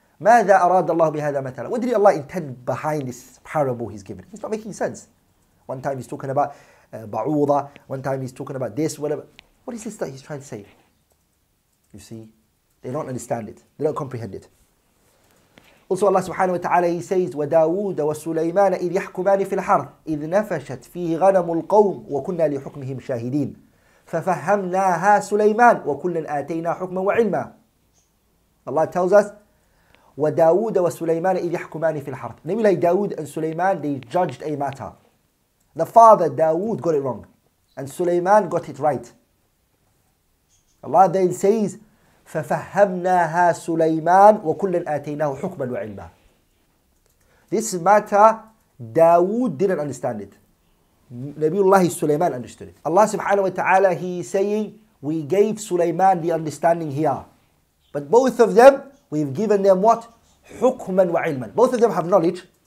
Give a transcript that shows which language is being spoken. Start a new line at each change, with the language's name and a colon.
Arabic: مَاذَا أَرَادَ اللَّهُ بِهَذَا مَثَلًا.
English: What did Allah intend behind this parable He's given? It's not making sense. One time He's talking about ba'uda, one time He's talking about this, whatever. What is this that He's trying to say? You see, they don't understand it. They don't comprehend it. Also Allah subhanahu wa ta'ala, He says,
Arabic: وَدَاوُودَ وَسُلَيْمَانَ إِذْ يَحْكُمَانِ فِي الْحَرْثِ إِذْ نَفَشَتْ فِيهِ غَنَمُ الْقَوْمِ وَكُنَّا لِحُكْمِهِمْ شَاهِدِينَ فَفَهَّمْنَاهَا سُلَيْمَانَ وَكُلًّا آتَيْنَا حُكْمًا وَعِلْمًا.
English: Allah tells us,
Arabic: وَدَاوُودَ وَسُلَيْمَانَ إِذْ يَحْكُمَانِ فِي الْحَرْثِ.
English: Namely, like Dawood and Sulaiman, they judged a matter. The father, Dawood, got it wrong. And Sulaiman got it right. Allah then says,
Arabic: فَفَهَّمْنَاهَا سُلَيْمَانَ وَكُلًّا آتَيْنَا حُكْمًا وَعِلْمًا.
English: This matter, Dawood didn't understand it. Nabiullah Sulaiman understood it. Allah subhanahu wa ta'ala, He is saying, we gave Sulaiman the understanding here. But both of them, we've given them what?
Arabic: Hukman wa ilman.
English: Both of them have knowledge.